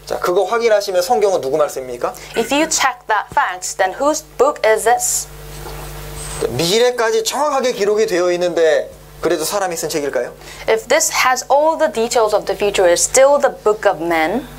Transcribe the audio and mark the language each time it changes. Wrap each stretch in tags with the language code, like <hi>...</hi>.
<ko>자, 그거 확인하시면 성경은 누구 말씀입니까?</ko> <en>If you check that fact, then whose book is this?</en> <ko>미래까지 정확하게 기록이 되어 있는데 그래도 사람이 쓴 책일까요?</ko> <en>If this has all the details of the future, it's still the book of man.</en>